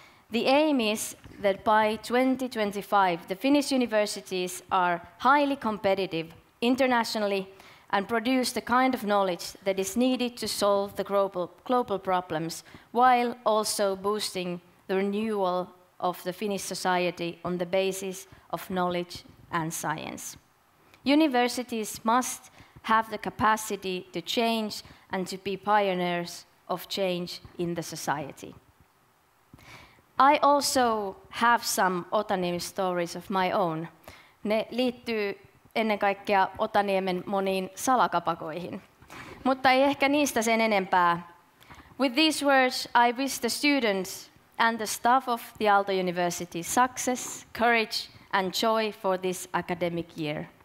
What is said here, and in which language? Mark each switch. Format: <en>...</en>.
<en>The aim is that by 2025, the Finnish universities are highly competitive internationally and produce the kind of knowledge that is needed to solve the global problems while also boosting the renewal of the Finnish society on the basis of knowledge and science. Universities must have the capacity to change and to be pioneers of change in the society. I also have some Otaniemi stories of my own.</en> <fi>Ne liittyy ennen kaikkea Otaniemen moniin salakapakoihin, mutta ei ehkä niistä sen enempää.</fi> <en>With these words, I wish the students and the staff of the Aalto University success, courage and joy for this academic year.</en>